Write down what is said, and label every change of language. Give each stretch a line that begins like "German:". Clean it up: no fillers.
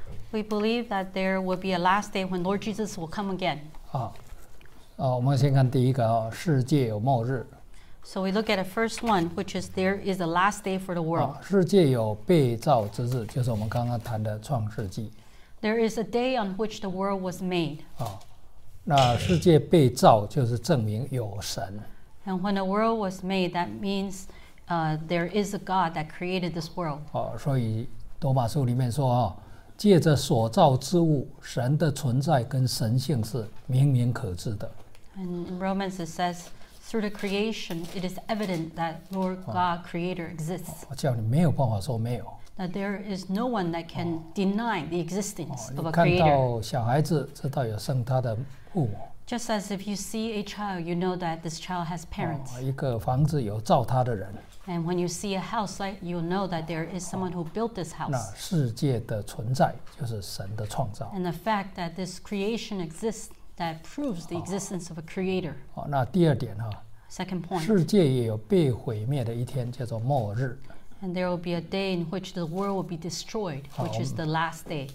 English: We believe that there will be a last day when Lord Jesus will come again.
Chinese: 我们先看第一个，世界有末日。
English: So we look at the first one, which is there is a last day for the world.
Chinese: 世界有被造之日，就是我们刚刚谈的创世纪。
English: There is a day on which the world was made.
Chinese: 那世界被造就是证明有神。
English: And when the world was made, that means there is a God that created this world.
Chinese: 所以罗马书里面说啊，借着所造之物，神的存在跟神性是明明可知的。
English: And in Romans it says, through the creation, it is evident that Lord God Creator exists.
Chinese: 我叫你没有办法说没有。
English: That there is no one that can deny the existence of a creator.
Chinese: 看到小孩子，知道有生他的父母。
English: Just as if you see a child, you know that this child has parents.
Chinese: 一个房子有造他的人。
English: And when you see a house, you'll know that there is someone who built this house.
Chinese: 那世界的存在就是神的创造。
English: And the fact that this creation exists that proves the existence of a creator.
Chinese: 那第二点啊。
English: Second point.
Chinese: 世界也有被毁灭的一天，叫做末日。
English: And there will be a day in which the world will be destroyed, which is the last day.